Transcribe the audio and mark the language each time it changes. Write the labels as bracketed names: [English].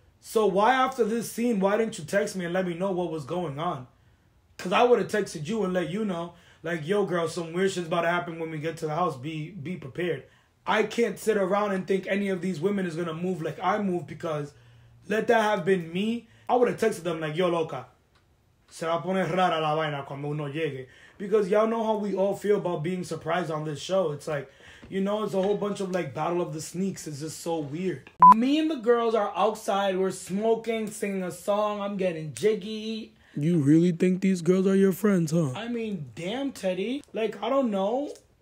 [English] So why after this scene, why didn't you text me and let me know what was going on? Because I would have texted you and let you know. Like, yo girl, some weird shit's about to happen when we get to the house. Be prepared. I can't sit around and think any of these women is going to move like I move because let that have been me. I would have texted them like, [Spanish] yo loca. Se va a poner rara la vaina cuando uno llegue. [English] Because y'all know how we all feel about being surprised on this show. It's like, you know, it's a whole bunch of like Battle of the Sneaks. It's just so weird. Me and the girls are outside. We're smoking, singing a song. I'm getting jiggy. You really think these girls are your friends, huh? I mean, damn, Teddy. Like, I don't know.